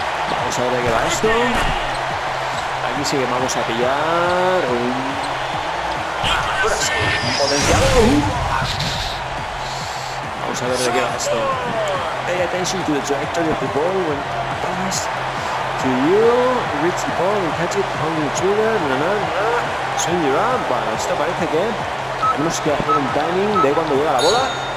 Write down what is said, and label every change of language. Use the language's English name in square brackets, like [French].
[Spanish] Vamos a ver de qué va esto. Aquí sí que vamos a pillar un potenciado. Vamos a ver de qué va esto. [English] Pay attention to the trajectory of the ball when passed to you. Reach the ball and catch it on the trigger. Swing your arm. [Spanish] Bueno, esto parece que tenemos que hacer un timing de cuando llega la bola.